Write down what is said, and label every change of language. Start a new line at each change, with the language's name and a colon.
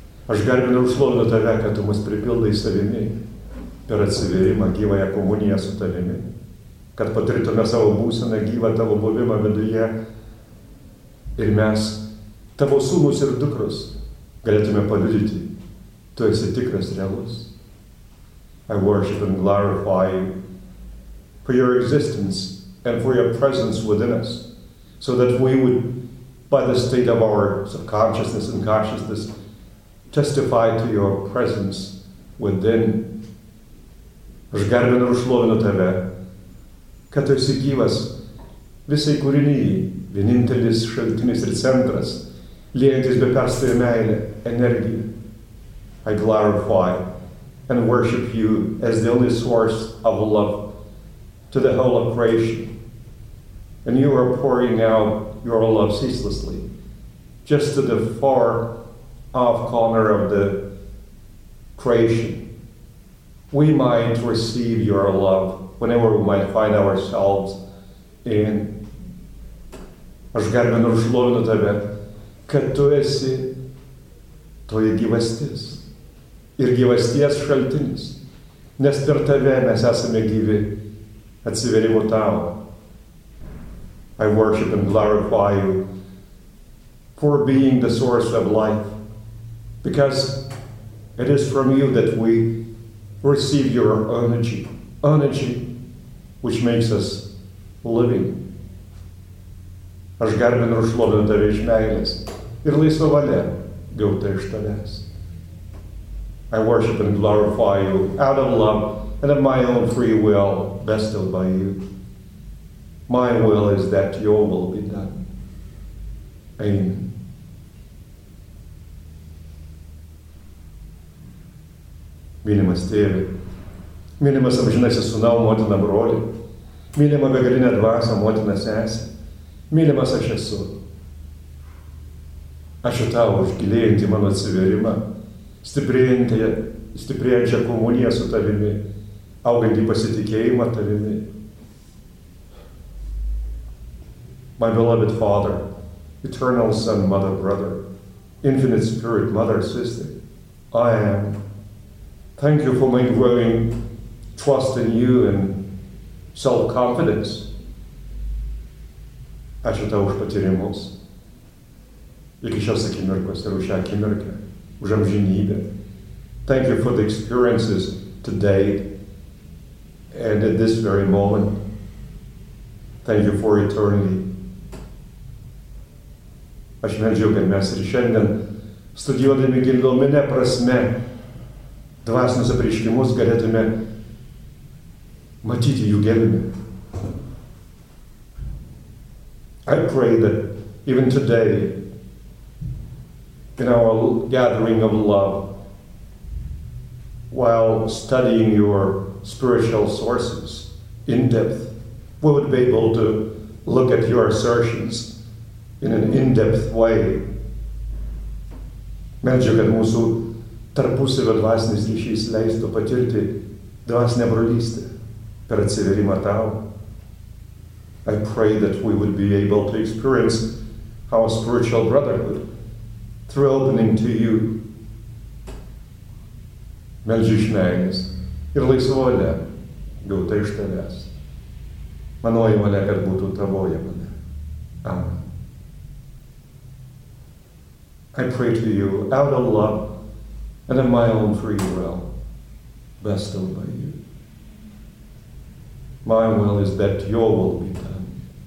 Lithuanian: Aš garbinu ir šlovinu tave, kad tu mus pripildai savimi per atsivėrimą gyvąją komuniją su tavimi, kad patirtume savo būseną gyvą tavo buvimą viduje ir mes, tavo sūnus ir dukros, galėtume paliudyti, tu esi tikras realus.
English: I worship and glorify you for your existence and for your presence within us, so that we would, by the state of our subconsciousness and consciousness, testify to your presence within.
Lithuanian: Aš garbinu ir šlovinu tave, kad tu esi gyvas visai kūrinyje, vienintelis šaltinis ir centras, liejantis be perstojo meilę, energiją.
English: I glorify and worship you as the only source of love to the whole of creation. And you are pouring out your love ceaselessly, just to the far off corner of the creation. We might receive your love whenever we might find ourselves in.
Lithuanian: Aš garbinu ir šlovinu tave, kad tu esi toji gyvastis ir gyvasties šaltinis, nes per tave mes esame gyvi atsiverimu tau.
English: I worship and glorify you for being the source of life, because it is from you that we receive your energy, energy which makes us living.
Lithuanian: Aš garbinu ir šlovinu tave iš meilės ir laisva valia gauta iš tavęs.
English: I worship and glorify you out of love and of my own free will bestowed by you. My will is that your will be done. Amen.
Lithuanian: Mylimas tėvė, mylimas amžinasis sūnau, motina broli, mylima begalinė dvasia, motina sesė, mylimas aš esu. Ačiū tau už gilėjantį mano atsiverimą, stiprėjančią komuniją su tavimi, augantį pasitikėjimą tavimi.
English: My beloved Father, eternal Son, Mother, Brother, Infinite Spirit, Mother, Sister, I am. Thank you for my growing trust in you and self-confidence.
Lithuanian: Ačiū tau už patyrimus. Iki šios akimirkos ir už šią akimirką, už amžinybę.
English: Thank you for the experiences today and at this very moment. Thank you for eternity.
Lithuanian: Aš meldžiu, kad mes ir šiandien studijuodami gilumine prasme dvasinius apreiškimus galėtume matyti jų gelmę.
English: I pray that even today in our gathering of love, while studying your spiritual sources in depth, we would be able to look at your assertions in an in-depth way.
Lithuanian: Meldžiu, kad mūsų tarpusavio dvasinis ryšys leistų patirti dvasinę brolystę per atsiverimą tau.
English: I pray that we would be able to experience our spiritual brotherhood through opening to you.
Lithuanian: Meldžiu iš meilės ir laisva valia gauta iš tavęs. Manoji valia, kad būtų tavoji valia. Amen.
English: I pray to you out of love and of my own free will, bestowed by you. My will is that your will be done.